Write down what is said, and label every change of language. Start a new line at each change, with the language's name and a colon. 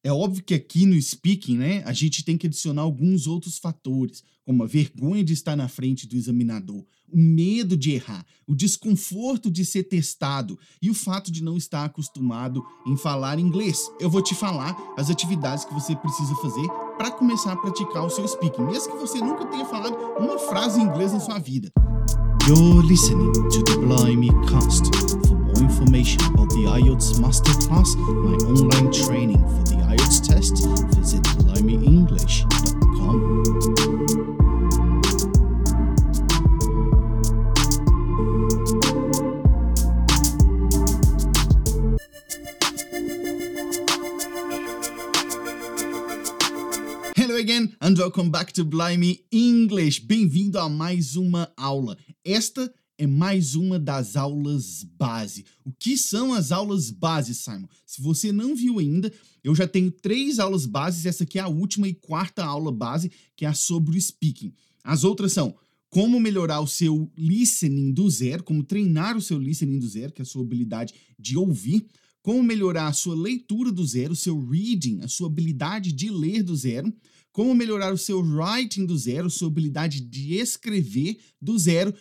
Portuguese: É óbvio que aqui no speaking, né, a gente tem que adicionar alguns outros fatores, como a vergonha de estar na frente do examinador, o medo de errar, o desconforto de ser testado e o fato de não estar acostumado em falar inglês. Eu vou te falar as atividades que você precisa fazer para começar a praticar o seu speaking, mesmo que você nunca tenha falado uma frase em inglês na sua vida.
English: You're listening to the Blimey Cast. For more information about the IELTS Masterclass, my online training for the IELTS test, visit blimeyenglish.com. Again and welcome back to Blimey English.
Portuguese: Bem-vindo a mais uma aula. Esta é mais uma das aulas base. O que são as aulas base, Simon? Se você não viu ainda, eu já tenho 3 aulas bases. Essa aqui é a última e quarta aula base, que é a sobre o speaking. As outras são como melhorar o seu listening do zero, como treinar o seu listening do zero, que é a sua habilidade de ouvir, como melhorar a sua leitura do zero, o seu reading, a sua habilidade de ler do zero, como melhorar o seu writing do zero, sua habilidade de escrever do zero.